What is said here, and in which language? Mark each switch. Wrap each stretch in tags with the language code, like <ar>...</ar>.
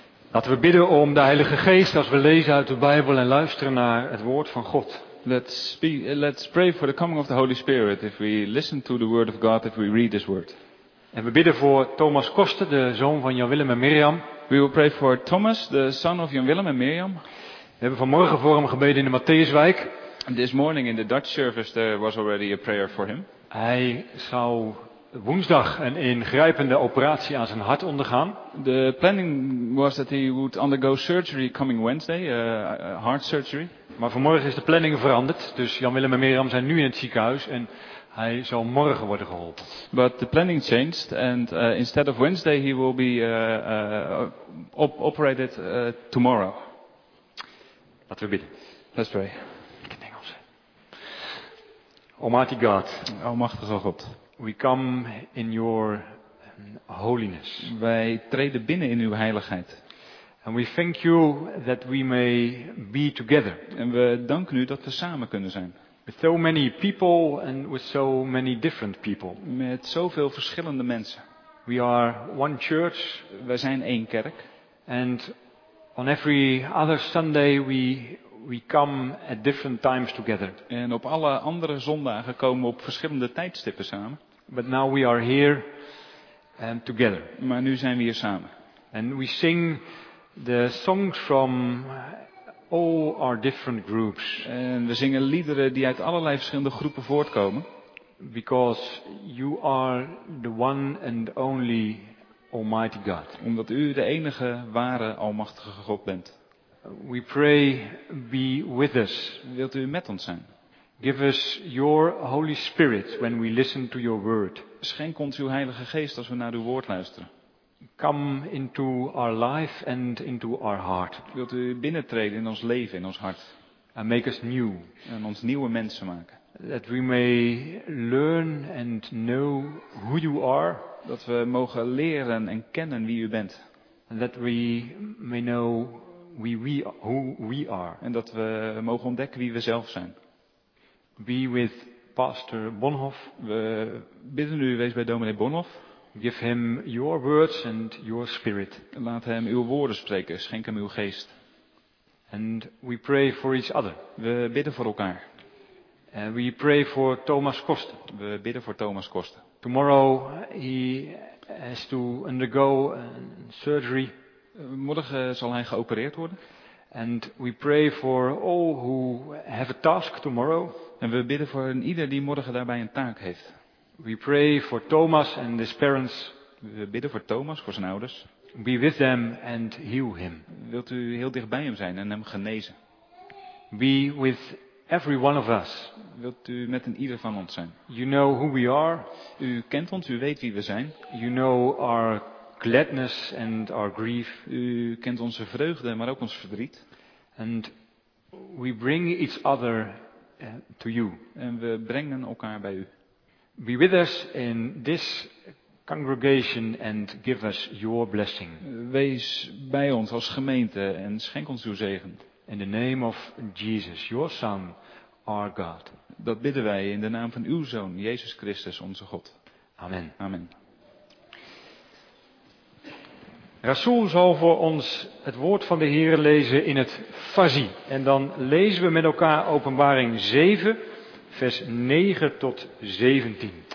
<nl>Laten we bidden om de Heilige Geest als we lezen uit de Bijbel en luisteren naar het woord van God.</nl> <en>Let's pray for the coming of the Holy Spirit if we listen to the word of God, if we read this word.</en> <nl>En we bidden voor Thomas Koster, de zoon van Jan Willem en Mirjam.</nl> <en>We will pray for Thomas, the son of Jan Willem and Mirjam.</en> <nl>We hebben vanmorgen voor hem gebeden in de Matthäuswijk.</nl> <en>This morning in the Dutch service there was already a prayer for him.</en> <nl>Hij zou woensdag een ingrijpende operatie aan zijn hart ondergaan.</nl> <en>The planning was that he would undergo surgery coming Wednesday, heart surgery.</en> <nl>Maar vanmorgen is de planning veranderd, dus Jan Willem en Mirjam zijn nu in het ziekenhuis en hij zal morgen worden geholpen.</nl> <en>But the planning changed and instead of Wednesday he will be operated tomorrow.</en> <nl>Laten we bidden.</nl> <en>Let's pray.</en> <nl>Ik in het Engels.</nl> <en>Almighty God.</en> <nl>Almachtige God.</nl> <en>We come in your holiness.</en> <nl>Wij treden binnen in uw heiligheid.</nl> <en>And we thank you that we may be together.</en> <nl>En we danken u dat we samen kunnen zijn.</nl> <en>With so many people and with so many different people.</en> <nl>Met zoveel verschillende mensen.</nl> <en>We are one church.</en> <nl>Wij zijn één kerk.</nl> <en>And on every other Sunday we come at different times together.</en> <nl>En op alle andere zondagen komen we op verschillende tijdstippen samen.</nl> <en>But now we are here and together.</en> <nl>Maar nu zijn we hier samen.</nl> <en>And we sing the songs from all our different groups.</en> <nl>En we zingen liederen die uit allerlei verschillende groepen voortkomen.</nl> <en>Because you are the one and only Almighty God.</en> <nl>Omdat u de enige ware almachtige God bent.</nl> <en>We pray, be with us.</en> <nl>Wilt u met ons zijn?</nl> <en>Give us your Holy Spirit when we listen to your word.</en> <nl>Schenk ons uw Heilige Geest als we naar uw woord luisteren.</nl> <en>Come into our life and into our heart.</en> <nl>Wilt u binnentreden in ons leven, in ons hart?</nl> <en>And make us new.</en> <nl>En ons nieuwe mensen maken.</nl> <en>That we may learn and know who you are.</en> <nl>Dat we mogen leren en kennen wie u bent.</nl> <en>And that we may know who we are.</en> <nl>En dat we mogen ontdekken wie we zelf zijn.</nl> <en>Be with Pastor Bonhoff.</en> <nl>We bidden u, wees bij dominee Bonhoff.</nl> <en>Give him your words and your spirit.</en> <nl>Laat hem uw woorden spreken, schenk hem uw geest.</nl> <en>And we pray for each other.</en> <nl>We bidden voor elkaar.</nl> <en>And we pray for Thomas Koster.</en> <nl>We bidden voor Thomas Koster.</nl> <en>Tomorrow he has to undergo surgery.</en> <nl>Morgen zal hij geopereerd worden.</nl> <en>And we pray for all who have a task tomorrow.</en> <nl>En we bidden voor ieder die morgen daarbij een taak heeft.</nl> <en>We pray for Thomas and his parents.</en> <nl>We bidden voor Thomas, voor zijn ouders.</nl> <en>Be with them and heal him.</en> <nl>Wilt u heel dicht bij hem zijn en hem genezen?</nl> <en>Be with every one of us.</en> <nl>Wilt u met een ieder van ons zijn?</nl> <en>You know who we are.</en> <nl>U kent ons, u weet wie we zijn.</nl> <en>You know our gladness and our grief.</en> <nl>U kent onze vreugde, maar ook ons verdriet.</nl> <en>And we bring each other to you.</en> <nl>En we brengen elkaar bij u.</nl> <en>Be with us in this congregation and give us your blessing.</en> <nl>Wees bij ons als gemeente en schenk ons uw zegen.</nl> <en>In the name of Jesus, your Son, our God.</en> <nl>Dat bidden wij in de naam van uw Zoon, Jezus Christus, onze God.</nl> <en>Amen.</en> <nl>Amen. Rasool zal voor ons het woord van de Heer lezen in het Fazi. En dan lezen we met elkaar Openbaring 7, vers 9 tot 17.</nl>